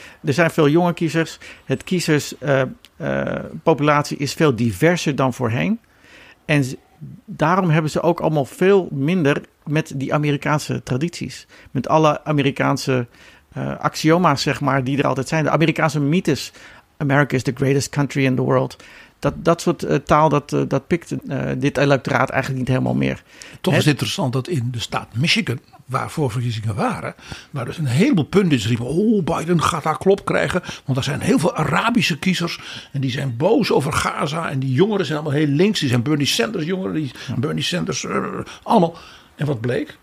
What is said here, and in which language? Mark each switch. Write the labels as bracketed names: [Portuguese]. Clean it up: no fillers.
[Dutch] Er zijn veel jonge kiezers. Het kiezers populatie is veel diverser dan voorheen. En daarom hebben ze ook allemaal veel minder met die Amerikaanse tradities. Met alle Amerikaanse axioma's, zeg maar, die er altijd zijn. De Amerikaanse mythes. [English] America is the greatest country in the world. [Dutch] Dat soort taal, dat pikt dit electoraat eigenlijk niet helemaal meer. Toch is het interessant dat in de staat Michigan, waar voorverkiezingen waren, waar dus een heleboel pundits riepen, oh, Biden gaat daar klop krijgen, want er zijn heel veel Arabische kiezers en die zijn boos over Gaza en die jongeren zijn allemaal heel links, die zijn Bernie Sanders jongeren, die Bernie Sanders, allemaal. En wat bleek?